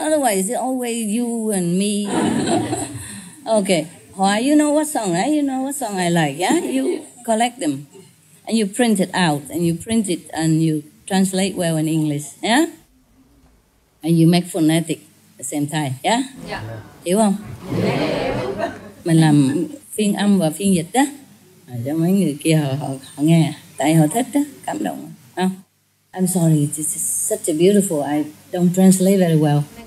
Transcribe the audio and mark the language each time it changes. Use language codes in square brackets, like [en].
[en] Otherwise, it's always you and me. Okay. Why, you know what song, right? You know what song I like, yeah? You collect them, and you print it out, and you print it, and you translate well in English, yeah? And you make phonetic at the same time, yeah? Yeah. [vi] Hiểu không? Mình làm phiên âm và phiên dịch đó. Cho mấy người kia họ nghe, tại họ thích đó, cảm động. [en] I'm sorry, it's such a beautiful, I don't translate very well.